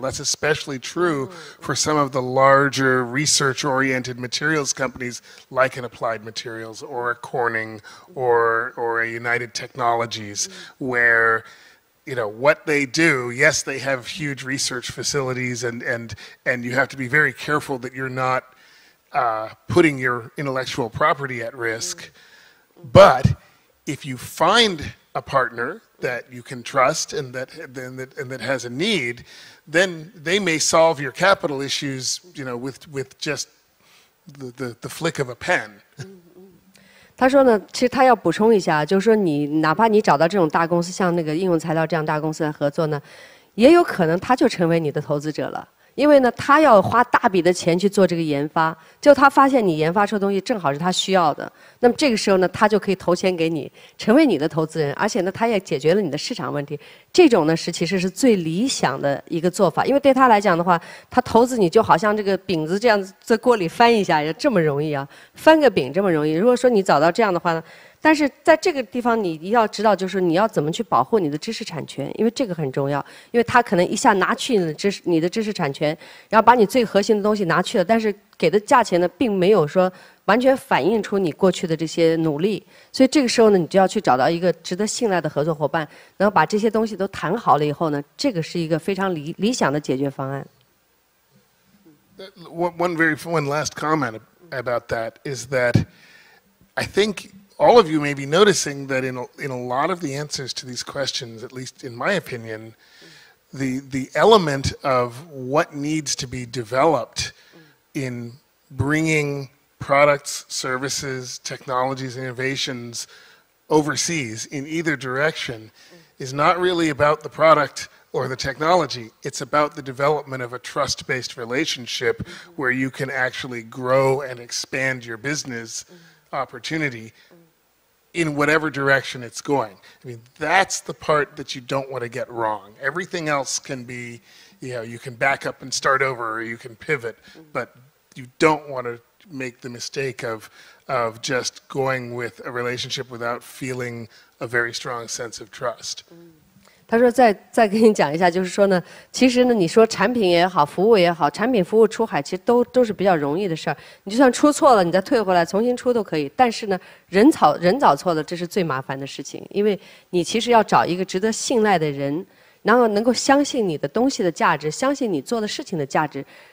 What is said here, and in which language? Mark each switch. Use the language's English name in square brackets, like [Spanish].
[English] That's especially true for some of the larger research-oriented materials companies like an Applied Materials or a Corning or a United Technologies where, you know, what they do, yes, they have huge research facilities and you have to be very careful that you're not putting your intellectual property at risk, but... If you find a partner that you can trust and that has a need, then they may solve your capital issues, you know, with just the flick of a pen. [Chinese] 他说呢，其实他要补充一下，就是说你哪怕你找到这种大公司，像那个应用材料这样大公司来合作呢，也有可能他就成为你的投资者了。因为呢，他要花大笔的钱去做这个研发，就他发现你研发出的东西正好是他需要的，那么这个时候呢，他就可以投钱给你，成为你的投资人，而且呢，他也解决了你的市场问题。这种呢是其实是最理想的一个做法，因为对他来讲的话，他投资你就好像这个饼子这样在锅里翻一下，这么容易啊，翻个饼这么容易。如果说你找到这样的话呢，但是在这个地方你要知道，就是你要怎么去保护你的知识产权，因为这个很重要，因为他可能一下拿去你的知识产权，然后把你最核心的东西拿去了，但是给的价钱呢并没有说完全反映出你过去的这些努力，所以这个时候呢你就要去找到一个值得信赖的合作伙伴，然后把这些东西都谈好了以后呢，这个是一个非常理想的解决方案。 [English] One last comment about that is that I thinkAll of you may be noticing that in a lot of the answers to these questions, at least in my opinion, the element of what needs to be developed in bringing products, services, technologies, innovations overseas in either direction is not really about the product or the technology. It's about the development of a trust-based relationship where you can actually grow and expand your business opportunity. In whatever direction it's going. I mean, that's the part that you don't want to get wrong. Everything else can be, you know, you can back up and start over, or you can pivot, but you don't want to make the mistake of just going with a relationship without feeling a very strong sense of trust. [Chinese] 他说再跟你讲一下，就是说呢，其实呢，你说产品也好，服务也好，产品服务出海其实都是比较容易的事儿。你就算出错了，你再退回来重新出都可以。但是呢，人找错了，这是最麻烦的事情，因为你其实要找一个值得信赖的人，然后能够相信你的东西的价值，相信你做的事情的价值。